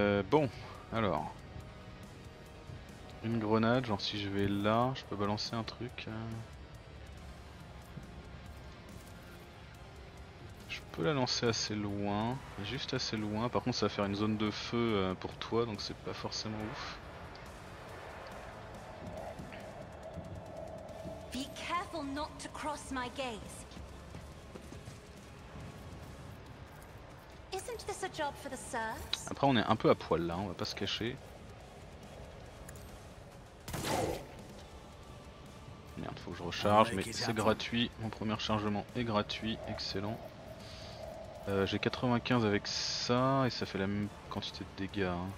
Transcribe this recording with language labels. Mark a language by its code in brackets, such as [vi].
[fr] Bon, alors. Une grenade, genre si je vais là, je peux balancer un truc. Je peux la lancer assez loin, juste assez loin. Par contre, ça va faire une zone de feu pour toi, donc c'est pas forcément ouf. [en] Be careful not to cross my gaze. Isn't this a job for the sirs? [fr] Après, on est un peu à poil là, on va pas se cacher. Merde, faut que je recharge, mais c'est gratuit. Mon premier chargement est gratuit, excellent. J'ai 95 avec ça et ça fait la même quantité de dégâts. Hein.